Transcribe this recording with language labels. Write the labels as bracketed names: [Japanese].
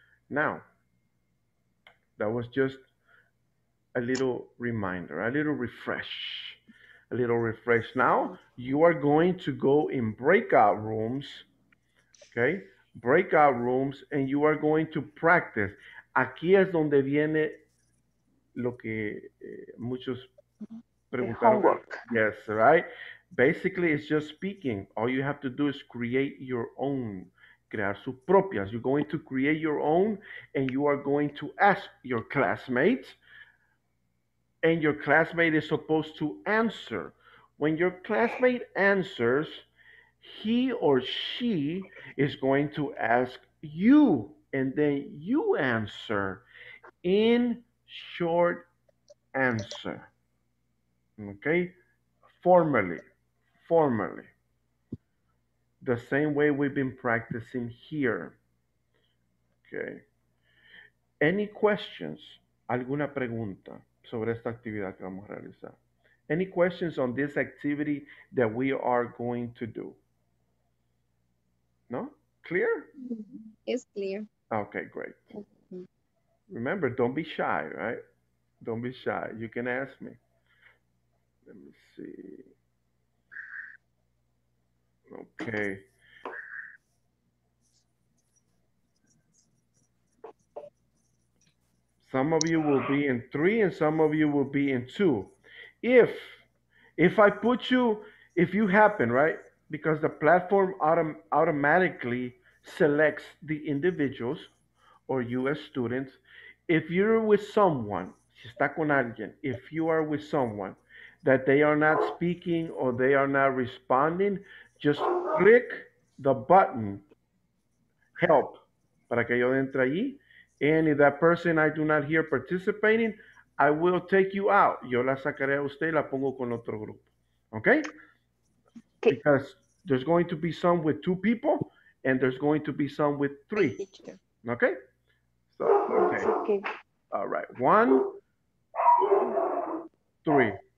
[English] Now, that was just a little reminder, a little refresh. Now, you are going to go in breakout rooms, okay? Breakout rooms, and you are going to practice. [Spanish] Aquí es donde viene lo que muchos preguntaron. [English] Homework. Yes, right? Basically, it's just speaking. All you have to do is create your own. [Spanish] Crear sus propias. [English] You're going to create your own, and you are going to ask your classmates, and your classmate is supposed to answer. When your classmate answers, he or she is going to ask you, and then you answer in short answer. Okay? Formally. The same way we've been practicing here. Okay. Any questions? [Spanish] ¿Alguna pregunta sobre esta actividad que vamos a realizar? [English] Any questions on this activity that we are going to do? No? Clear? It's clear. Okay, great. Remember, don't be shy, right? Don't be shy. You can ask me. Let me see. Okay. Some of you will be in three and some of you will be in two. If I put you, if you happen, right? Because the platform automatically selects the individuals or you as students. If you're with someone, [Spanish] si está con alguien, [English] if you are with someone that they are not speaking or they are not responding, just click the button, help, [Spanish] para que yo entre allí. [English] And if that person I do not hear participating, I will take you out. [Spanish] Yo la sacaré a usted y la pongo con otro grupo. [English] Okay? Okay. Because there's going to be some with two people, and there's going to be some with three. Okay? So, okay. It's okay. All right. One, three.